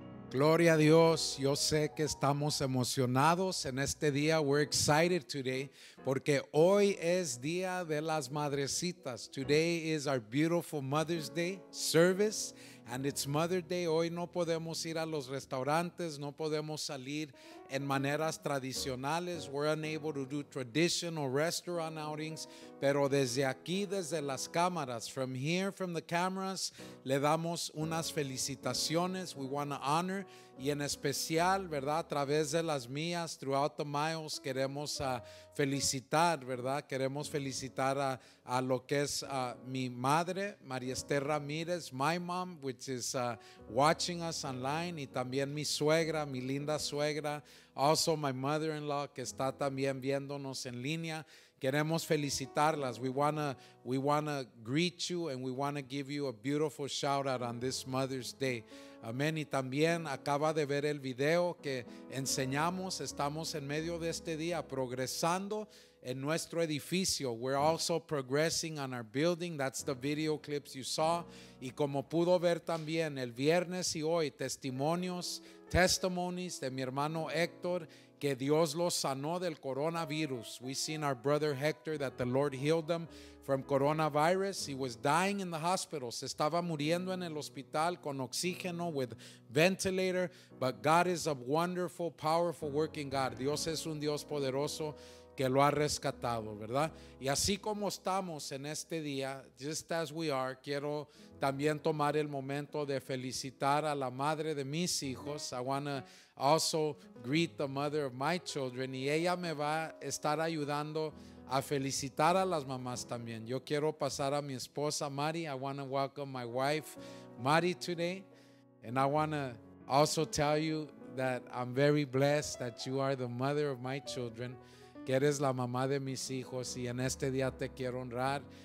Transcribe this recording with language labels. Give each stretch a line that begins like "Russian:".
Spanish: Gloria a Dios, yo sé que estamos emocionados en este día.
English: We're excited today
Spanish: porque hoy es Día de las Madrecitas. Today is our beautiful Mother's Day service and it's Mother's Day. Hoy no podemos ir a los restaurantes, no podemos salir en maneras tradicionales.
English: We're unable to do traditional restaurant outings,
Spanish: pero desde aquí, desde las cámaras,
English: from here, from the cameras,
Spanish: le damos unas felicitaciones.
English: We want to honor,
Spanish: y en especial, verdad, a través de las mías,
English: throughout the miles,
Spanish: queremos felicitar, verdad, queremos felicitar a lo que es mi madre, María Esther Ramírez,
English: my mom, which is watching us online,
Spanish: y también mi suegra, mi linda suegra.
English: Also my mother-in-law,
Spanish: que está también viéndonos en línea. Queremos felicitarlas.
English: We wanna greet you and we wanna give you a beautiful shout out on this Mother's Day.
Spanish: Amén. Y también acaba de ver el video que enseñamos. Estamos en medio de este día progresando en nuestro edificio.
English: We're also progressing on our building. That's the video clips you saw.
Spanish: Y como pudo ver también el viernes y hoy, testimonies de mi hermano Héctor, que Dios lo sanó del coronavirus.
English: We seen our brother Hector, that the Lord healed him from coronavirus. He was dying in the hospital.
Spanish: Se estaba muriendo en el hospital con oxígeno,
English: with ventilator. But God is a wonderful, powerful working God.
Spanish: Dios es un Dios poderoso que lo ha rescatado, ¿verdad? Y así como estamos en este día,
English: just as we are,
Spanish: quiero también tomar el momento de felicitar a la madre de mis hijos.
English: I want to also greet the mother of my children.
Spanish: Y ella me va a estar ayudando a felicitar a las mamás también. Yo quiero pasar a mi esposa, Mari.
English: I want to welcome my wife, Mari, today. And I want to also tell you that I'm very blessed that you are the mother of my children,
Spanish: que eres la mamá de mis hijos, y en este día te quiero honrar.